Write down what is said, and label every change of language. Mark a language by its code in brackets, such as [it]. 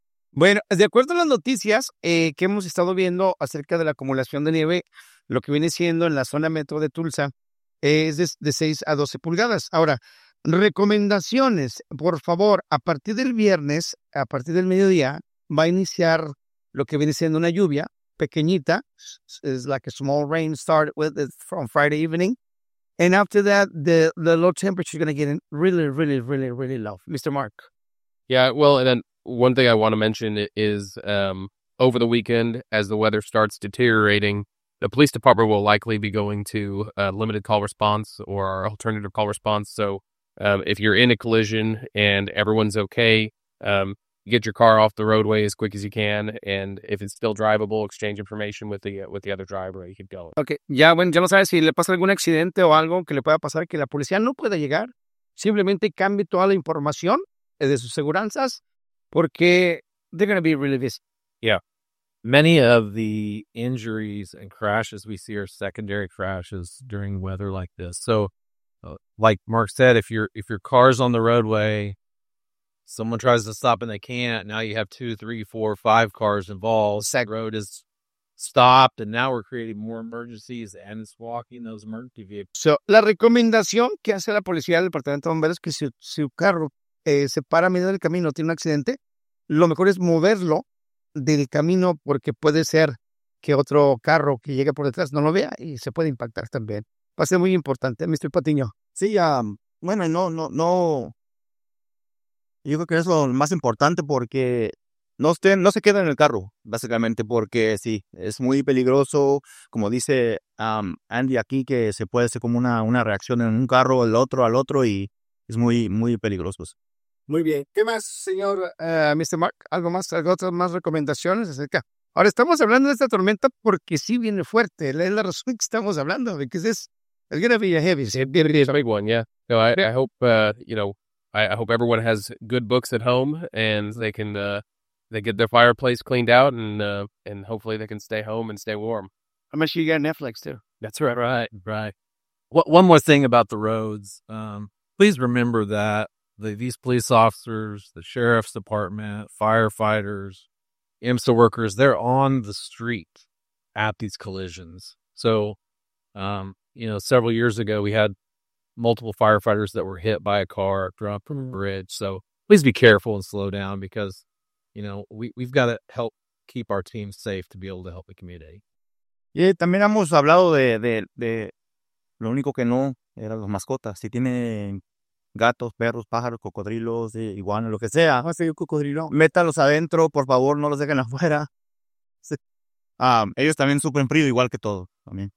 [es] Bueno, de acuerdo a las noticias que hemos estado viendo acerca de la acumulación de nieve, lo que viene siendo en la zona metro de Tulsa es de 6 a 12 pulgadas. Ahora, recomendaciones, por favor, a partir del viernes, a partir del mediodía, va a iniciar lo que viene siendo una lluvia pequeñita. [en] Is like a small rain started with it from Friday evening. And after that, the low temperature is going to get in really, really, really, really low. Mr. Mark. Yeah, well, and then one thing I want to mention is over the weekend, as the weather starts deteriorating, the police department will likely be going to a limited call response or our alternative call response. So if you're in a collision and everyone's okay, get your car off the roadway as quick as you can, and if it's still drivable, exchange information with the other driver. You keep going. Okay. Yeah. [es] Bueno, ya no sabes si le pasa algún accidente o algo que le pueda pasar que la policía no pueda llegar. Simplemente cambie toda la información de sus seguranzas porque they're going to be really busy. [en] Yeah. Many of the injuries and crashes we see are secondary crashes during weather like this. So, like Mark said, if your car's on the roadway, someone tries to stop and they can't. Now you have 2, 3, 4, 5 cars involved. Sec road is stopped and now we're creating more emergencies and it's walking those emergency vehicles. [es] So, la recomendación que hace la policía del departamento de bomberos es que si su carro se para a medio del camino, tiene un accidente, lo mejor es moverlo del camino porque puede ser que otro carro que llegue por detrás no lo vea y se puede impactar también. Va a ser muy importante, Mr. Patiño. Sí, bueno, no. Yo creo que es lo más importante porque no se queda en el carro, básicamente, porque sí, es muy peligroso, como dice Andy aquí, que se puede hacer como una reacción en un carro, el otro al otro, y es muy, muy peligroso. Muy bien. ¿Qué más, señor Mr. Mark? ¿Algo más? ¿Otras más recomendaciones acerca? Ahora, estamos hablando de esta tormenta porque sí viene fuerte. Es la razón que estamos hablando, porque es [en] It's going to be a heavy set. It's a big one, yeah. No, I hope, you know, I hope everyone has good books at home and they can they get their fireplace cleaned out and hopefully they can stay home and stay warm. I'm sure you got Netflix, too. That's right. Right, right. One more thing about the roads. Please remember that these police officers, the sheriff's department, firefighters, IMSA workers, they're on the street at these collisions. So, you know, several years ago, we had multiple firefighters that were hit by a car drunk from a bridge. So please be careful and slow down because, you know, we've got to help keep our team safe to be able to help the community. [es] Y también hemos hablado de lo único que no era las mascotas. Si tienen gatos, perros, pájaros, cocodrilos, iguanas, lo que sea. ¿Va a ser un cocodrilo? Métalos adentro, por favor, no los dejen afuera. Sí. Ellos también sufren frío igual que todo. También.